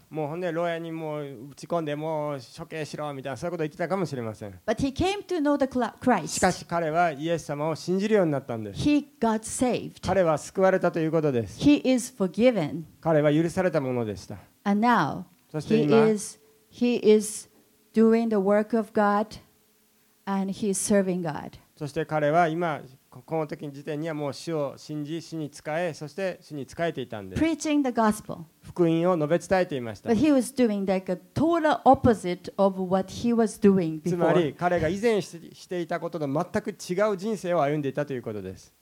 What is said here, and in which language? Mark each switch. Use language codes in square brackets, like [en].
[ja] もうほんで牢屋にもう打ち込んでもう処刑しろみたいなそういうことを言ってたかもしれません。 [en] But he came to know the Christ. [ja] しかし彼はイエス様を信じるようになったんです。 [en] He got saved. [ja] 彼は救われたということです。 [en] He is forgiven. [ja] 彼は許されたものでした。 [en] And now, [ja] そして今 [en] he is doing the work of God and he is serving God. [ja] そして彼は今この時時点にはもう主を信じ、主に仕え、そして主に仕えていたんです。福音を述べ伝えていました。つまり彼が以前していたことと全く違う人生を歩んでいたということです。